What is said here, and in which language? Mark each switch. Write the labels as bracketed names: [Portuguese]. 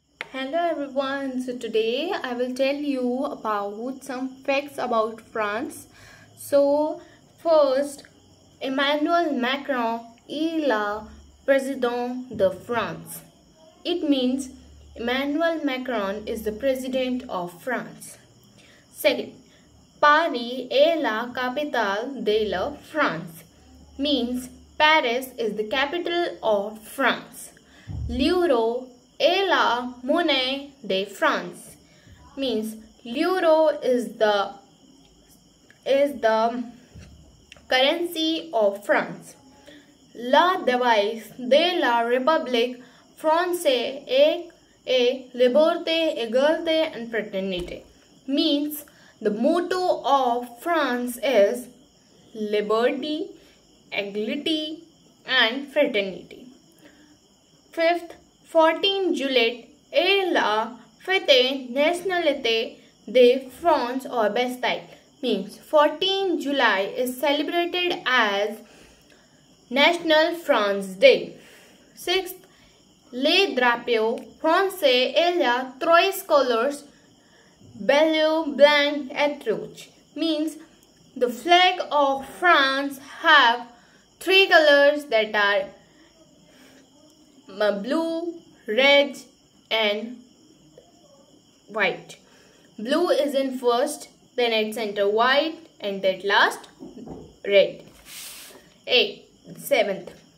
[English] Hello everyone, so today I will tell you about some facts about France. So first, [French] Emmanuel Macron est le président de France. [English] It means Emmanuel Macron is the president of France. [French] Second, Paris est la capitale de la France. [English] Means Paris is the capital of France. [French] L'euro est la monnaie de France. [English] Means l'euro is the currency of France. [French] La devise de la République française est liberté, égalité and fraternité. [English] Means the motto of France is liberty, equality and fraternity. [French] Fifth, 14 juillet est la fête nationale de France or Bastille. [English] Means 14 July is celebrated as National France Day. [French] Sixth, le drapeau français est la trois couleurs bleu, blanc et rouge. [English] Means the flag of France have three colors that are blue, red and white. Blue is in first, then at center white and at last red. 7th.